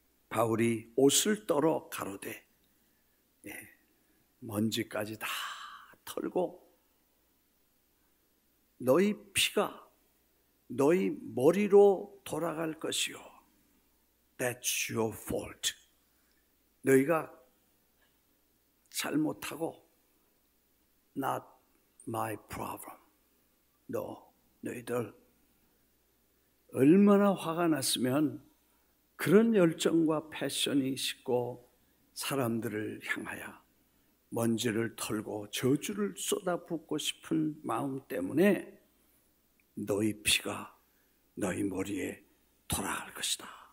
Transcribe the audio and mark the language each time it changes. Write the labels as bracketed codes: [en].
[ko] 바울이 옷을 떨어 가로되, 예, 먼지까지 다 털고 너희 피가 너희 머리로 돌아갈 것이요. [en] That's your fault. [ko] 너희가 잘못하고, [en] not my problem. [ko] 너희들 얼마나 화가 났으면 그런 열정과 패션이 싣고 사람들을 향하여 먼지를 털고 저주를 쏟아붓고 싶은 마음 때문에 너희 피가 너희 머리에 돌아갈 것이다.